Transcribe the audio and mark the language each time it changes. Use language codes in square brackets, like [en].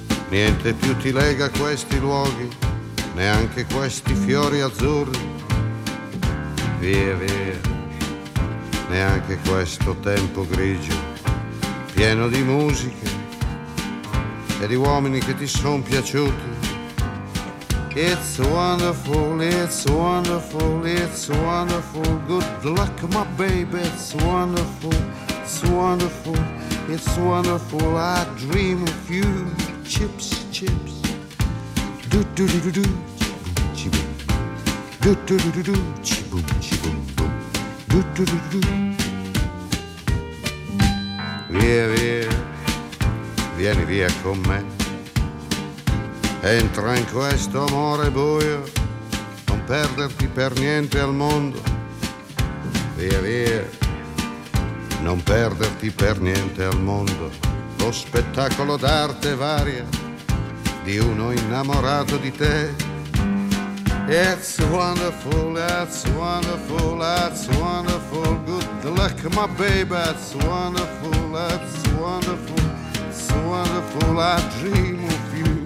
[it] Niente più ti lega a questi luoghi, neanche questi fiori azzurri. Via, via, neanche questo tempo grigio, pieno di musiche e di uomini che ti sono piaciuti. [en] It's wonderful, it's wonderful, it's wonderful. Good luck, my baby, it's wonderful, it's wonderful, it's wonderful. I dream of you, chips, chips. Do do do do do, chibum chibum. Do do do do do, chibum chibum boom. [it] Do do do do do. Via via, vieni via con me. Entra in questo amore buio, non perderti per niente al mondo. Via via, non perderti per niente al mondo. Lo spettacolo d'arte varia di uno innamorato di te. [en] It's wonderful, that's wonderful, that's wonderful. Good luck, my baby, that's wonderful, that's wonderful, it's wonderful, I dream of you.